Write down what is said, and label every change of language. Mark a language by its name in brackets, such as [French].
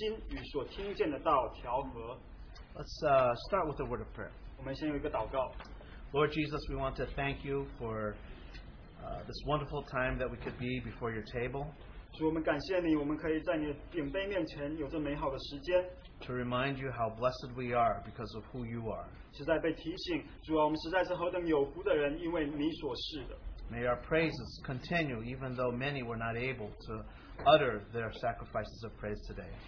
[Chinese] 希伯来书四章二节，因为有福音传给我们，像传给他们一样，只是所听见的道与他们无异，因为他们没有信心与所听见的道调和。 [English] Let's start with a word of prayer. [Chinese] 我们先有一个祷告。 [English] Lord Jesus, we want to thank you for this wonderful time that we could be before your table. [Chinese] 主，我们感谢你，我们可以在你的饼杯面前有这美好的时间。 [English] To remind you how blessed we are because of who you are. [Chinese] 实在被提醒，主啊，我们实在是何等有福的人，因为你所是的。 [English] May our praises continue even though many were not able to utter their sacrifices of praise today.